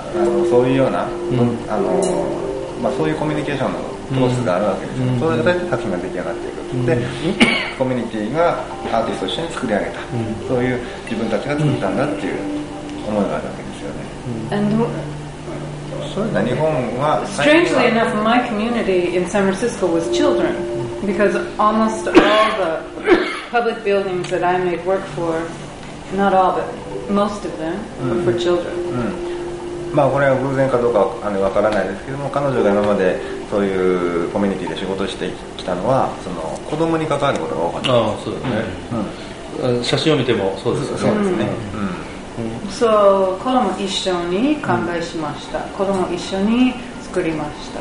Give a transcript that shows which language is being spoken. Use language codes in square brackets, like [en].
[ja] あのそういうような、うん、あのまあ、そういうコミュニケーションのプロセスがあるわけですよ、うん、それで作品が出来上がっていく、うん、でコミュニティがアーティストと一緒に作り上げた、うん、そういう自分たちが作ったんだっていう思いがあるわけですよね、うん、日本は [en] strangely enough my community in San Francisco was children because almost all the public buildings that I made work for not all but most of them were for children、 [ja] うんうん、まあこれは偶然かどうかあの分からないですけども、彼女が今までそういうコミュニティで仕事してきたのはその子供に関わることが多かった。ああそうですね、うんうん、写真を見てもそうですよね。そうですね、うんうん、そう子供一緒に考えしました、うん、子供一緒に作りました、